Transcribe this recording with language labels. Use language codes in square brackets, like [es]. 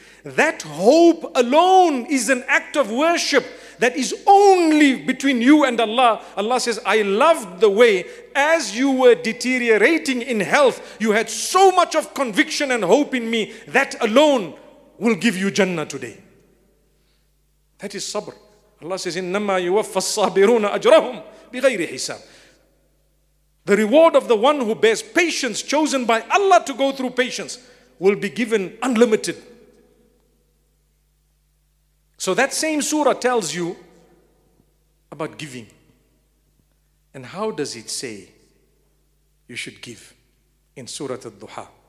[en] That hope alone is an act of worship that is only between you and Allah. Allah says, I loved the way as you were deteriorating in health, you had so much of conviction and hope in me, that alone will give you Jannah today. That is sabr. Allah says, [ar] إِنَّمَّا يُوَفَّ الصَّابِرُونَ أَجْرَهُمْ بِغَيْرِ حِسَابٍ. [en] The reward of the one who bears patience, chosen by Allah to go through patience, will be given unlimited. So that same surah tells you about giving. And how does it say you should give in Surah Al-Duha?